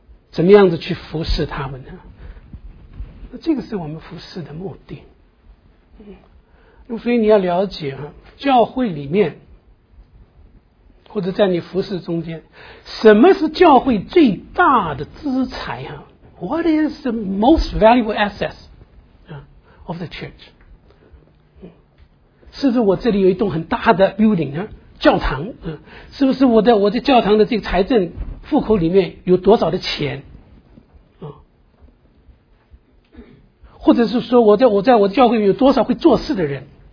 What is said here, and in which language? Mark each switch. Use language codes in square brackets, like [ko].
[zh] 怎么样子去服侍他们呢？那这个是我们服侍的目的。所以你要了解啊，教会里面或者在你服侍中间，什么是教会最大的资财啊？ [en] What is the most valuable asset? of the church. [zh] 是不是我这里有一栋很大的 building 呢？教堂，是不是我的教堂的这个财政户口里面有多少的钱，或者是说我在我的教会里面有多少会做事的人。